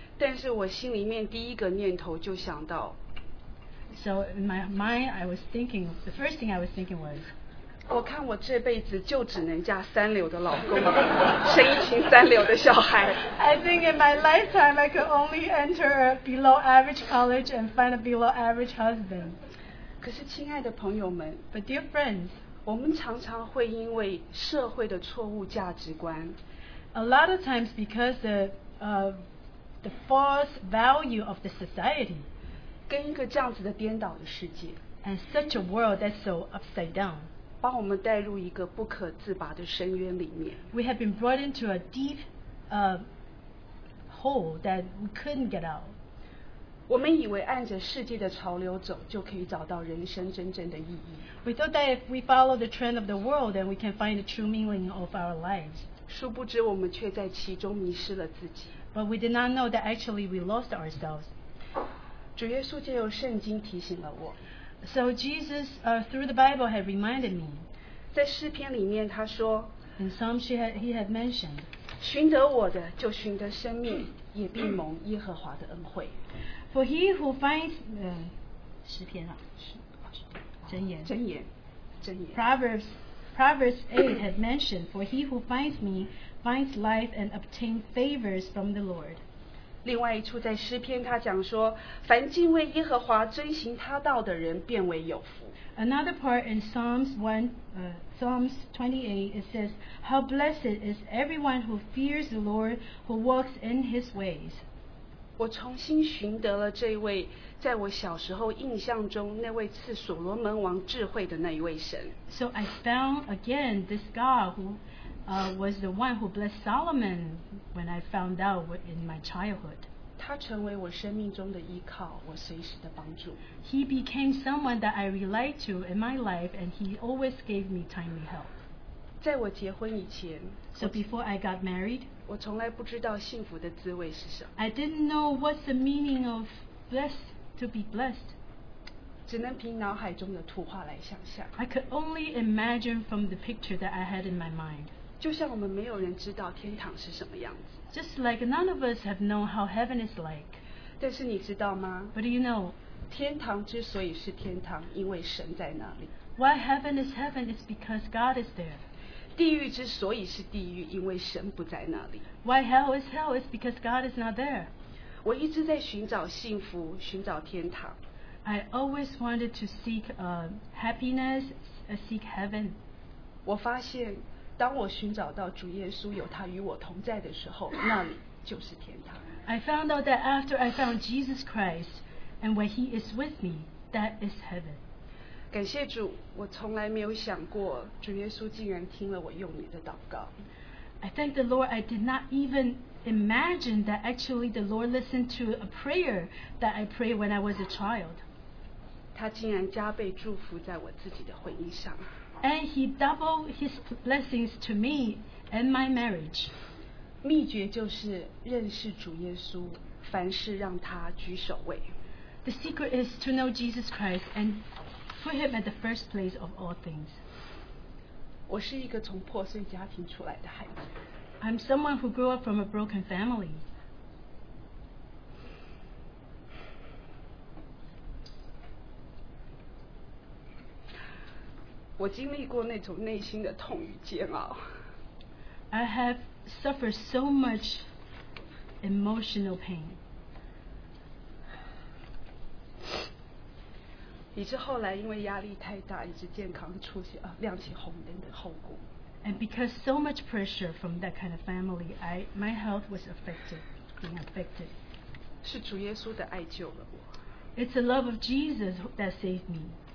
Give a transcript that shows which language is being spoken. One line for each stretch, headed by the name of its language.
Chinese: 但是我心里面第一个念头就想到
English: ，So in my mind, I was thinking. The first thing I was thinking was.
Chinese: 我看我这辈子就只能嫁三流的老公，生一群三流的小孩。
English: I think in my lifetime I could only enter a below average college and find a below average husband.
Chinese: 可是亲爱的朋友们
English: ，But dear friends，
Chinese: 我们常常会因为社会的错误价值观
English: ，A lot of times because of the false value of the society，
Chinese: 跟一个这样子的颠倒的世界
English: ，and such a world that's so upside down。
Chinese: 把我们带入一个不可自拔的深渊里面。
English: We have been brought into a deep, hole that we couldn't get out.
Chinese: 我们以为按着世界的潮流走，就可以找到人生真正的意义。
English: We thought that if we follow the trend of the world, then we can find the true meaning of our lives.
Chinese: 殊不知，我们却在其中迷失了自己。
English: But we did not know that actually we lost ourselves.
Chinese: 主耶稣借由圣经提醒了我。
English: So Jesus, through the Bible, had reminded me.
Chinese: 在诗篇里面，他说
English: ，In Psalm he had mentioned,
Chinese: 寻得我的就寻得生命，也必蒙耶和华的恩惠。
English: For he who finds
Chinese: 诗篇啊，箴言，箴言，箴言。
English: Proverbs 8 had mentioned, for he who finds me finds life and obtains favors from the Lord.
Chinese: 另外一处在诗篇，他讲说，凡敬畏耶和华、遵行他道的人，变为有福。
English: Another part in Psalms 28, it says, "How blessed is everyone who fears the Lord, who walks in His ways."
Chinese: 我重新寻得了这位在我小时候印象中那位赐所罗门王智慧的那一位神。
English: So I found again this God who. Was the one who blessed Solomon when I found out in my childhood.
Chinese: 他成为我生命中的依靠，我随时的帮助。
English: He became someone that I relied to in my life, and he always gave me timely help.
Chinese: 在我结婚以前
English: ，So before I got married,
Chinese: 我从来不知道幸福的滋味是什么。
English: I didn't know what's the meaning of blessed to be blessed.
Chinese: 只能凭脑海中的图画来想象。
English: I could only imagine from the picture that I had in my mind.
Chinese: 就像我们没有人知道天堂是什么样子。
English: Just like none of us have known how heaven is like.
Chinese: 但是你知道吗
English: ？But you know,
Chinese: 天堂之所以是天堂，因为神在那里。
English: Why heaven is heaven is because God is there.
Chinese: 地狱之所以是地狱，因为神不在那里。
English: Why hell is because God is not there.
Chinese: 我一直在寻找幸福，寻找天堂。
English: I always wanted to seek happiness, seek heaven.
Chinese: 我发现。当我寻找到主耶稣有他与我同在的时候，那里就是天堂。
English: I found out that after I found Jesus Christ, and when He is with me, that is heaven.
Chinese: 感谢主，我从来没有想过主耶稣竟然听了我幼女的祷告。
English: I thank the Lord. I did not even imagine that actually the Lord listened to a prayer that I prayed when I was a child.
Chinese: 他竟然加倍祝福在我自己的婚姻上。
English: And he doubled his blessings to me and my marriage.
Chinese: 秘诀就是认识主耶稣，凡事让他居首位。
English: The secret is to know Jesus Christ and put him at the first place of all things.
Chinese: 我是一个从破碎家庭出来的孩子。
English: I'm someone who grew up from a broken family.
Chinese: 我经历过那种内心的痛与煎熬。
English: I have suffered so much emotional pain.
Chinese: 以致后来因为压力太大，以致健康出现亮起红灯的后果。
English: And because so much pressure from that kind of family, my health was being affected.
Chinese: 是主耶稣的爱救了我。
English: It's the love of Jesus that saved me.